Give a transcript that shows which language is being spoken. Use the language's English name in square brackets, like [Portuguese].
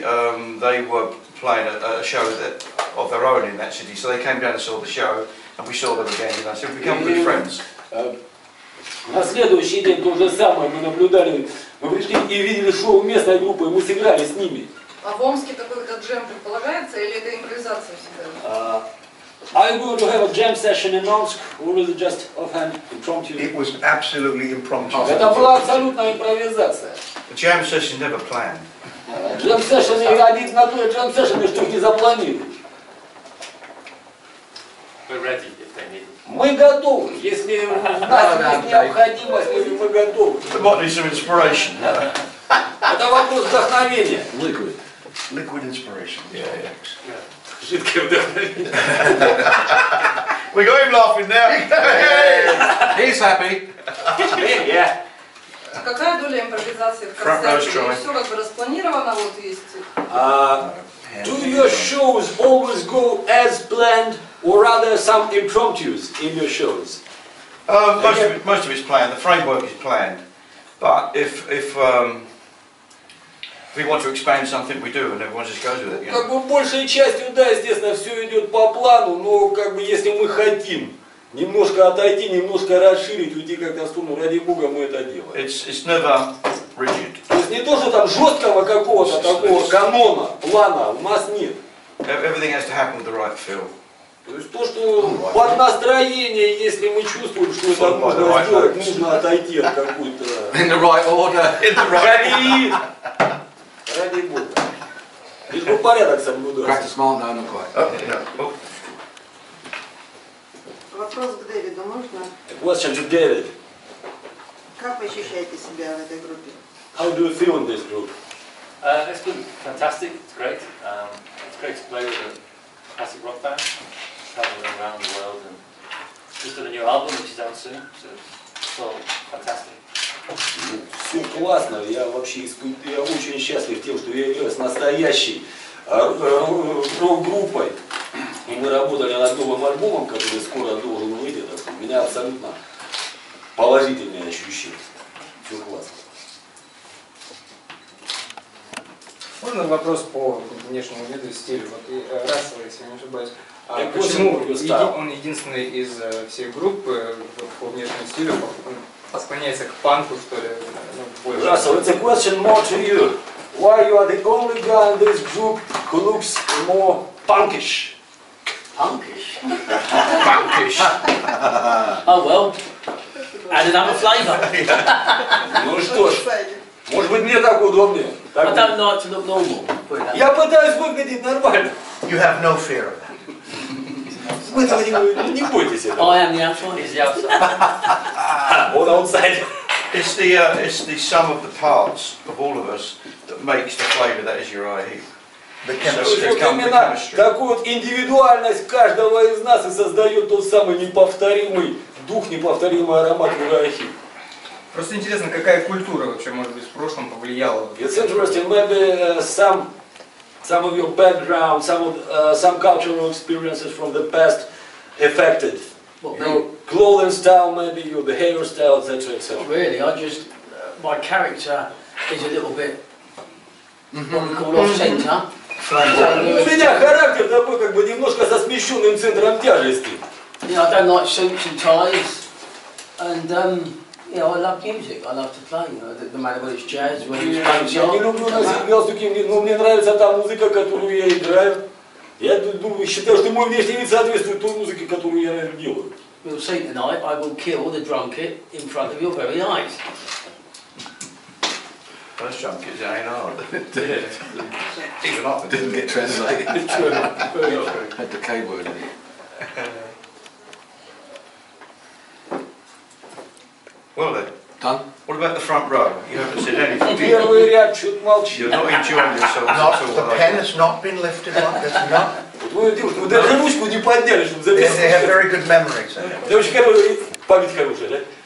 [English] Playing a show that of their own in that city, so they came down and saw the show, and we saw them again, and I said, we've become good friends. [Russian] На следующий день то же самое мы наблюдали. Мы вышли и видели шоу местной группы, и мы сыграли с ними. А в Омске такой как джем предполагается, или это импровизация всегда? [English] I'm going to have a jam session in Omsk, or is it just offhand impromptu? It was absolutely impromptu. [Russian] Это была абсолютная импровизация. [English] A jam session never planned. [Russian] Джем-сэшн, я один на той джем-сэшн, что их не запланировали. Мы готовы, если у нас есть необходимость, мы готовы. [English] It might be some inspiration. [Russian] Это вопрос вдохновения. [English] Liquid inspiration. [Russian] Жидкое вдохновение. [English] We got him laughing now. He's happy. Yeah. А какая доля импровизации в концерте? Все как бы распланировано, вот есть. Do your shows always go as planned, or rather some impromptus in your shows? Most of it's planned. The framework is planned. But if we want to expand something, we do, and everyone just goes with it. [Russian] Как бы большей частью, да, естественно, все идет по плану. Но как бы если мы хотим немножко отойти, немножко расширить, уйти как-то в сторону. Ради бога, мы это делаем. [English] It's never rigid. [Russian] То есть не то, что там жесткого какого-то такого канона, плана у нас нет. [English] Everything has to happen with the right feel. [Russian] То есть то, что под настроение, если мы чувствуем, что это нужно сделать, нужно отойти от какой-то... [English] In the right order. [Russian] Ради... Ради бога. Лишь бы порядок соблюдать. [English] Practice small, no, not quite. [Russian] Вопрос к Дэвиду можно? [English] Question to David. [Russian] Как вы ощущаете себя в этой группе? [English] How do you feel in this group? It's been fantastic. It's great. It's great to play with a classic rock band, traveling around the world, and just did a new album, which is out soon. So it's all fantastic. [Russian] Все классно. Я вообще я очень счастлив тем, что я играю с настоящей рок-группой. И мы работали над новым альбомом, который скоро должен выйти. Так у меня абсолютно положительные ощущения. Все классно. Можно вопрос по внешнему виду и стилю? Вот и Рассел, если я не ошибаюсь. А почему он единственный из всей группы по внешнему стилю? Посклоняется к панку, что ли? [English] Рассел, [Russian] это [English] question more to you. Why you are the only guy in this group who looks more punkish? Punkish. Oh well. Added another flavor. [Russian] Ну что ж, может быть мне так удобнее. Так [English] but I'm not look normal. [Russian] Я пытаюсь выглядеть нормально. [English] You have no fear of that. [Russian] Вы этого не бойтесь этого. [English] I am the outsider. All outside. It's the sum of the parts of all of us that makes the flavor that is your IE. [Russian] Именно такую вот индивидуальность каждого из нас и создает тот самый неповторимый дух, неповторимый аромат Урахи. Просто интересно, какая культура вообще, может быть, в прошлом повлияла? [English] It's interesting, maybe some of your background, some cultural experiences from the past affected your clothing style, maybe your behavior style, etc. Not really, my character is a little bit off-center. [Russian] У меня характер такой, как бы немножко со смещенным центром тяжести. [English] Yeah, I don't like suits and ties, and I love music. I love to play. No matter what it's jazz, whether it's punk. [Russian] Я не люблю носить галстуки, но мне нравится та музыка, которую я играю. Я думаю, считаю, что мой внешний вид соответствует той музыке, которую я делаю. [English] We'll see tonight. I will kill the drunkard in front of your very eyes. First jump is Jane Hard. Even up it didn't get translated. Had the K word in it. Well then. Done? What about the front row? You haven't said anything. You're not enjoying yourself. Not, the pen has not been lifted up, it's not. [Russian] Даже ручку не подняли, чтобы записать. [English] They have very good memories. [Russian] Девочки, память хорошая, да?